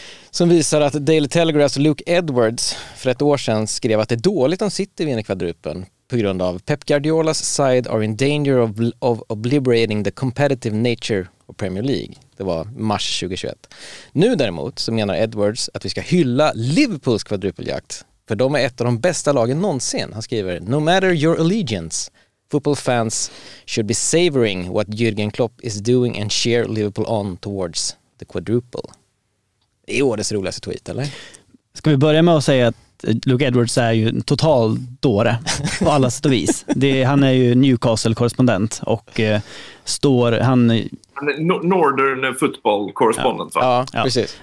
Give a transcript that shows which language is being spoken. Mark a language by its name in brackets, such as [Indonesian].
[Swedish] Som visar att Daily Telegraphs Luke Edwards för ett år sedan skrev att det är dåligt om City vinner kvadrupen på grund av Pep Guardiolas [English] side are in danger of obliterating the competitive nature of Premier League. [Swedish] Det var mars 2021. Nu däremot så menar Edwards att vi ska hylla Liverpools kvadrupeljakt, för de är ett av de bästa lagen någonsin. Han skriver, [English] no matter your allegiance, football fans should be savoring what Jürgen Klopp is doing and cheer Liverpool on towards the quadruple. [Swedish] Det är årets roligaste tweet, eller? Ska vi börja med att säga att Luke Edwards är ju en total dåre på alla sätt och vis. Han är ju Newcastle-korrespondent och han... Han är Northern Football-korrespondent, ja. Va? Ja, precis.